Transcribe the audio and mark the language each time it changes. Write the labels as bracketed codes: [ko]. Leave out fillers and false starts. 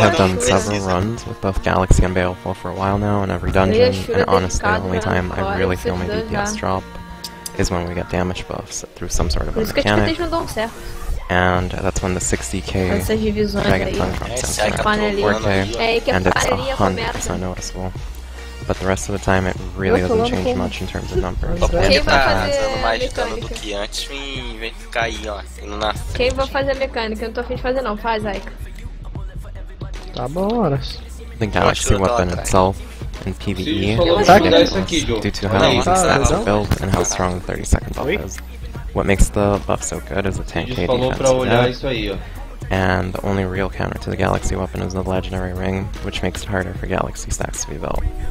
[en] have done several runs with both Galaxy and Baleful for a while now in every dungeon, and honestly the only time I really feel my DPS drop is when we get damage buffs through some sort of a mechanic. And that's when the 60k Megaton drops in there, 4k, and it's 100% noticeable. But the rest of the time it really doesn't change much in terms of numbers. [pt] Quem vai fazer mecânica? Vem ficar aí, ó, indo na frente. Quem vai fazer mecânica? Eu não tô afim de fazer não, faz, Aika. Tá bom, horas. [en] The Galaxy weapon itself and PvE due to how long the stat is built and how strong the 30-second buff is. What makes the buff so good is the tank KD defense, and the only real counter to the Galaxy weapon is the legendary ring, which makes it harder for Galaxy stacks to be built.